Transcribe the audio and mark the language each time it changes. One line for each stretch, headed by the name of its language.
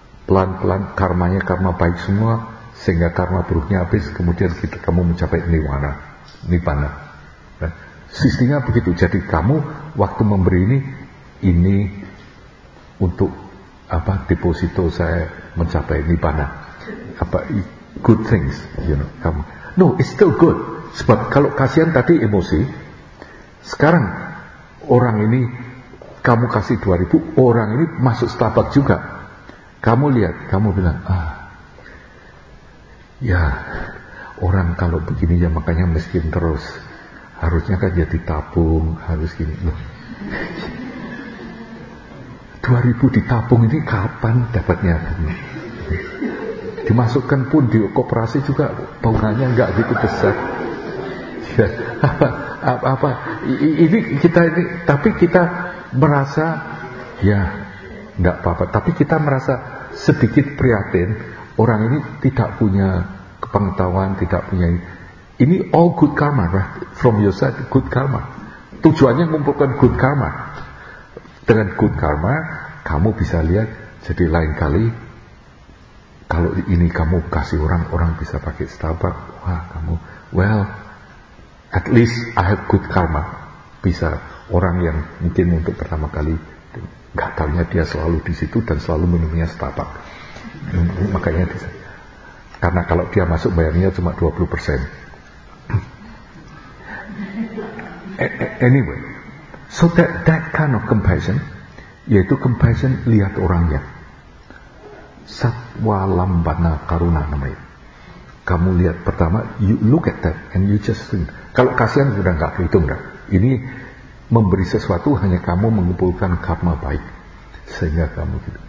Indonesian: Pelan-pelan karmanya karma baik semua, sehingga karma buruknya habis. Kemudian kamu mencapai nibbana.
English: Right?
Indonesian: Sistemnya begitu. Jadi kamu waktu memberi ini untuk apa? Deposito saya mencapai nibbana.
English: Apa good things, you know?
Indonesian: Kamu.
English: No, it's still good.
Indonesian: Sebab kalau kasihan tadi emosi. Sekarang orang ini kamu kasih 2000, orang ini masuk stabak juga. Kamu lihat, kamu bilang, ah, ya orang kalau begini ya makanya miskin terus. Harusnya kan jadi tabung, harus gini. 2000 ditabung ini kapan dapatnya? Dimasukkan pun di koperasi juga bunganya enggak gitu besar. Ya. Apa ini kita ini tapi kita merasa ya enggak apa-apa tapi kita merasa sedikit prihatin orang ini tidak punya pengetahuan tidak punya ini
English: all good karma right? From your side good karma
Indonesian: tujuannya mengumpulkan good karma dengan good karma kamu bisa lihat jadi lain kali kalau ini kamu kasih orang bisa pakai Starbucks wah kamu well
English: at least I have good karma.
Indonesian: Bisa orang yang mungkin untuk pertama kali gak taunya dia selalu di situ dan selalu minumnya Starbucks. Makanya bisa. Karena kalau dia masuk bayarnya cuma 20%.
English: Anyway, so that kind of compassion,
Indonesian: yaitu compassion lihat orangnya. Satwa lambana karuna namanya. Kamu lihat pertama,
English: you look at that and you just think.
Indonesian: Kalau kasihan sudah enggak kehitung enggak. Ini memberi sesuatu hanya kamu mengumpulkan karma baik sehingga kamu gitu.